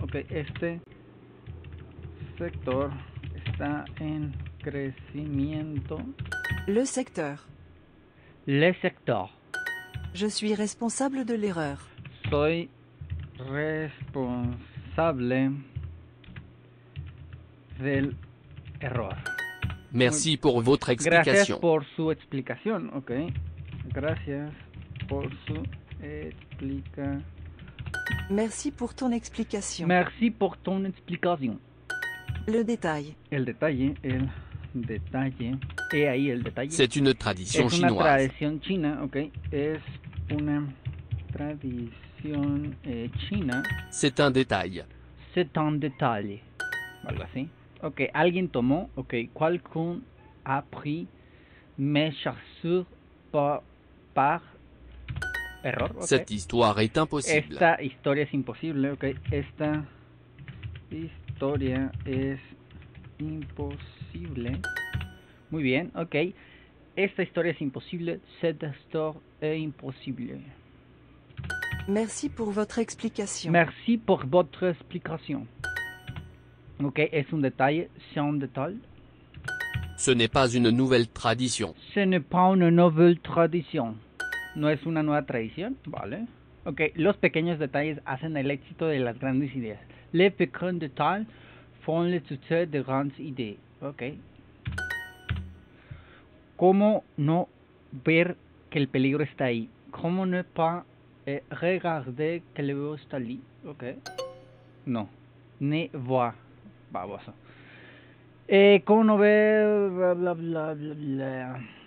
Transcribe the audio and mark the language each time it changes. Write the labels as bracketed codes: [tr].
[es] Ok, este sector está en crecimiento. [fr] Le secteur. Le secteur. Je suis responsable de l'erreur. [es] Soy responsable del error. Muy [fr] Merci pour votre [es] gracias [fr] explication. [es] por su explicación, ok. Gracias por su explicación. [fr] Merci pour ton explication. Merci pour ton explication. Le détail. [es] El detalle, he ahí el detalle. [fr] C'est une tradition [es] Es una [fr] chinoise. [es] tradición china, ok. Es una tradición china. [fr] C'est un détail. C'est un détail. [es] Algo así. Ok, alguien tomó, ok. [fr] Quelqu'un a pris mes chaussures par error, ok. Cette histoire est impossible. [es] Esta historia es imposible, ok. Esta historia es imposible. Muy bien, ok. Esta historia es imposible. [fr] Cette histoire est impossible. Merci pour votre explication. Merci por votre explicación. [es] Ok, es un detalle. [fr] C'est un [es] detalle. [fr] Ce n'est pas une nouvelle tradition. Ce n'est pas une nouvelle tradition. [es] No es una nueva tradición. Vale. Ok, los pequeños detalles hacen el éxito de las grandes ideas. [fr] Les [es] pequeños detalles [fr] font le succès de grandes idées. Ok. [es] ¿Cómo no ver que el peligro está ahí? ¿Cómo no [fr] pas regarder que le [es] veo está ahí? Ok. No. [fr] Ne voir. [es] Baboso. ¿Cómo no ver? Bla, bla, bla, bla, bla.